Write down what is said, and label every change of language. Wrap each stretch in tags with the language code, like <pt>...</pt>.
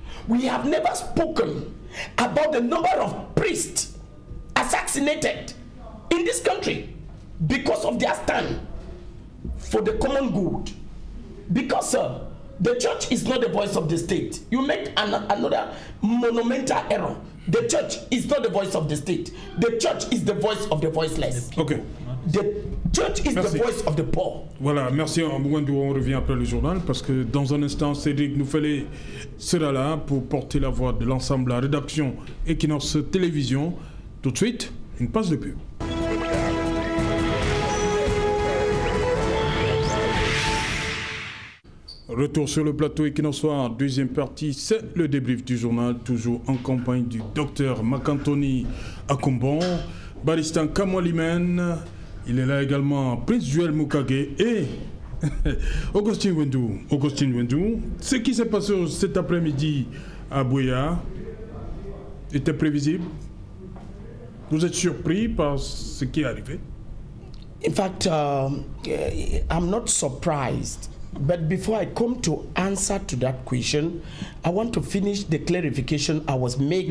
<en>We have never spoken about the number of priests assassinated in this country because of their stand for the common good. Because, sir, the church is not the voice of the state. You make another monumental error. The church is not the voice of the state. The church is the voice of the voiceless. Okay. The church is merci. The voice of the poor.</en> <fr>Voilà, merci. On revient après le journal parce que dans un instant, Cédric Noufélé sera là pour porter la voix de l'ensemble de la rédaction Equinoxe Télévision. Tout de suite, une passe de pub. Retour sur le plateau Equinoxe, deuxième partie, c'est le débrief du journal, toujours en compagnie du docteur Marc-Anthony Akumbon, Baristan Kamolimen. Il est là également Prince Joel Mukage et Augustine Wendou. Ce qui s'est passé cet après-midi à Bouya était prévisible. Vous êtes surpris par ce qui est arrivé?</fr> <en>In fact, I'm not surprised. But before I come to answer to that question, I want to finish the clarification I was making.</en>